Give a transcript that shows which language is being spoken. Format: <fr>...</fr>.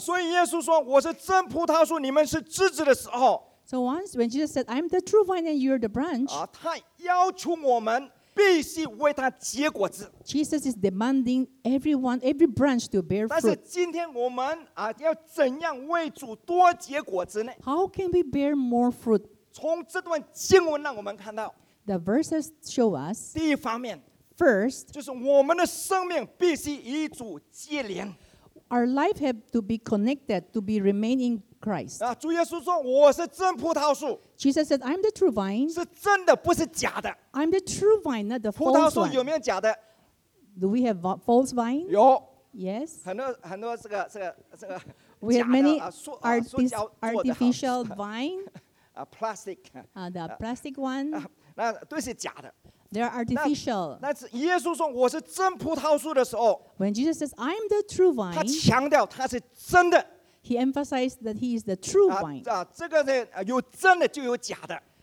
<zh>所以耶稣说，我是真葡萄树，你们是枝子的时候。</zh> <en>So once when Jesus said, I'm the true vine and you're the branch.</en> <zh>他要求我们必须为他结果子。</zh> <en>Jesus is demanding everyone, every branch to bear fruit.</en> <zh>但是今天我们要怎样为主多结果子呢？</zh> <en>How can we bear more fruit?</en> <zh>从这段经文让我们看到。</zh> <en>The verses show us.</en> <zh>第一方面。</zh> <en>First,</en> <zh>就是我们的生命必须与主接连。</zh> <en>Our life have to be connected to be remain in Christ.</en> <zh>主耶稣说我是真葡萄树。</zh> <en>Jesus said, I'm the true vine.</en> <zh>是真的，不是假的。</zh> <en>I'm the true vine, not the false vine.</en> <zh>葡萄树有没有假的？</zh> <en>Do we have false vine?</en> <zh>有。</zh> <en>Yes.</en> <zh>很多这个。</zh> <en>We have many artificial vine. plastic. The plastic one.</en> <zh>那都是假的。</zh> <en>They are artificial.</en> <zh>但是耶稣说我是真葡萄树的时候</zh> <en>，When Jesus says I'm the true vine，</en> <zh>他强调他是真的。</zh> <en>He emphasized that he is the true vine.</en> <zh>这个呢，有真的就有假的。</zh>